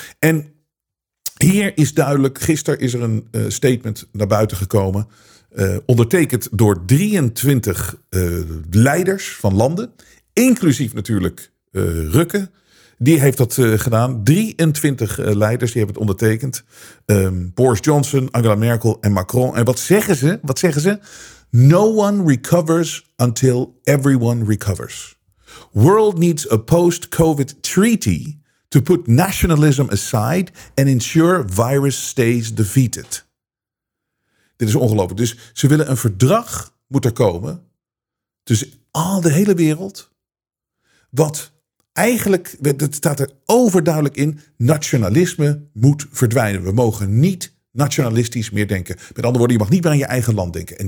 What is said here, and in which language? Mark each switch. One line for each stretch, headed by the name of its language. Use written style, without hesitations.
Dutch: En hier is duidelijk, gisteren is er een statement naar buiten gekomen, ondertekend door 23 leiders van landen, inclusief natuurlijk Rutte. Die heeft dat gedaan. 23 leiders die hebben het ondertekend. Boris Johnson, Angela Merkel en Macron. En wat zeggen ze? Wat zeggen ze?
English: No one recovers until everyone recovers. World needs a post-COVID treaty to put nationalism aside and ensure virus stays defeated.
Dutch: Dit is ongelooflijk. Dus ze willen een verdrag, moet er komen, tussen al de hele wereld, wat eigenlijk, dat staat er overduidelijk in, nationalisme moet verdwijnen. We mogen niet nationalistisch meer denken. Met andere woorden, je mag niet meer aan je eigen land denken.